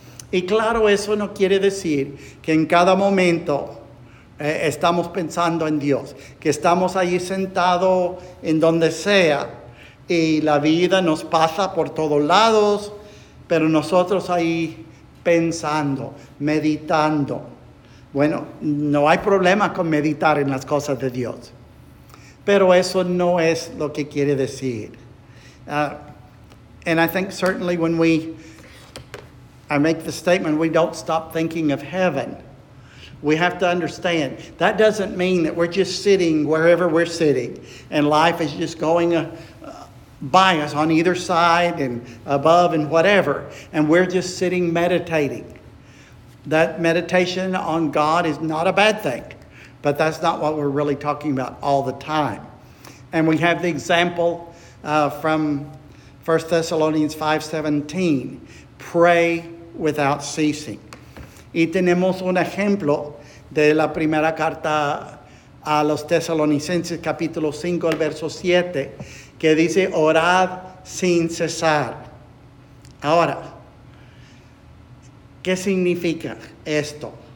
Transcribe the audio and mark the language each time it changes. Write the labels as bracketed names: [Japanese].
[Spanish] Y claro, eso no quiere decir que en cada momento estamos pensando en Dios, que estamos ahí sentado en donde sea y la vida nos pasa por todos lados, pero nosotros ahí pensando, meditando. Bueno, no hay problema con meditar en las cosas de Dios, pero eso no es lo que quiere decir. [English] And I think certainly when I make the statement, we don't stop thinking of heaven. We have to understand that doesn't mean that we're just sitting wherever we're sitting and life is just going by us on either side and above and whatever. And we're just sitting meditating. That meditation on God is not a bad thing, but that's not what we're really talking about all the time. And we have the example from 1 Thessalonians 5:17, pray without ceasing. [Spanish] Y tenemos un ejemplo de la primera carta a los Tesalonicenses, capítulo 5, el verso 7, que dice, orad sin cesar. Ahora, ¿qué significa esto?